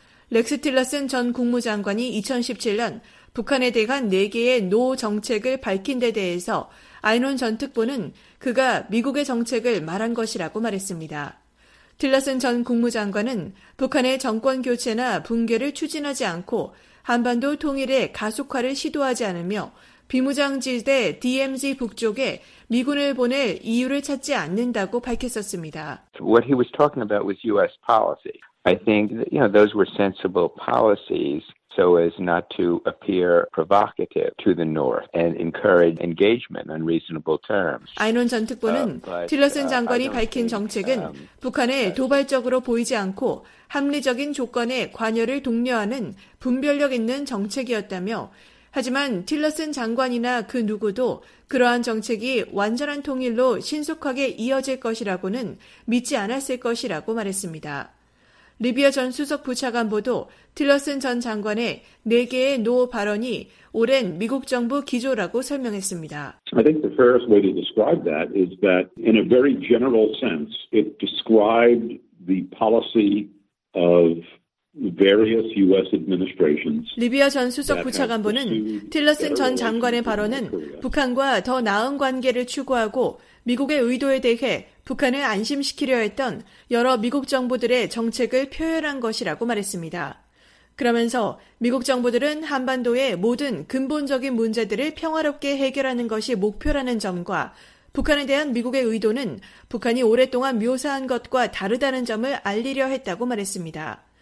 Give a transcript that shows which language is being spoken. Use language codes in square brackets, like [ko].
[ko] 렉스 틸러슨 전 국무장관이 2017년 북한에 대한 4개의 노 정책을 밝힌 데 대해서 아인혼 전 특보는 그가 미국의 정책을 말한 것이라고 말했습니다. 틸러슨 전 국무장관은 북한의 정권 교체나 붕괴를 추진하지 않고 한반도 통일의 가속화를 시도하지 않으며 비무장지대 DMZ 북쪽에 미군을 보낼 이유를 찾지 않는다고 밝혔었습니다. [en] What he was talking about was U.S. policy. I think that, you know, those were sensible policies so as not to appear provocative to the North and encourage engagement on reasonable terms. [ko] 아인혼 전 특보는 틸러슨 장관이 밝힌 정책은 북한에 도발적으로 보이지 않고 합리적인 조건에 관여를 독려하는 분별력 있는 정책이었다며 하지만 틸러슨 장관이나 그 누구도 그러한 정책이 완전한 통일로 신속하게 이어질 것이라고는 믿지 않았을 것이라고 말했습니다. 리비아 전 수석 부차관보도 틸러슨 전 장관의 4개의 노 발언이 오랜 미국 정부 기조라고 설명했습니다. [en] I think the fairest way to describe that is that in a very general sense, it described the policy of various U.S. administrations. [ko] 리비아 전 수석 부차관보는 틸러슨 전 장관의 발언은 북한과 더 나은 관계를 추구하고 미국의 의도에 대해 북한을 안심시키려 했던 여러 미국 정부들의 정책을 표현한 것이라고 말했습니다. 그러면서 미국 정부들은 한반도의 모든 근본적인 문제들을 평화롭게 해결하는 것이 목표라는 점과 북한에 대한 미국의 의도는 북한이 오랫동안 묘사한 것과 다르다는 점을 알리려 했다고 말했습니다.